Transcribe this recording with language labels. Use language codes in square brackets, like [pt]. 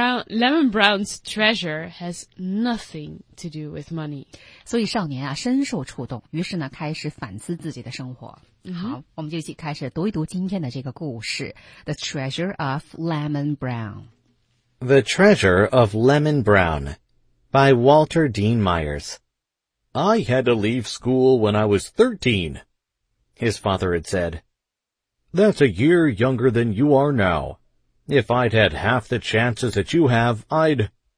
[en] Lemon Brown's treasure has nothing to do with money. [zh] 所以少年啊深受触动，于是呢开始反思自己的生活。 Mm-hmm. 好，我们就一起开始读一读今天的这个故事。 [en] The Treasure of Lemon Brown. The Treasure of Lemon Brown by Walter Dean Myers. I had to leave school when I was 13, his father had said. That's a year younger than you are now. If I'd had half the chances that you have, I'd...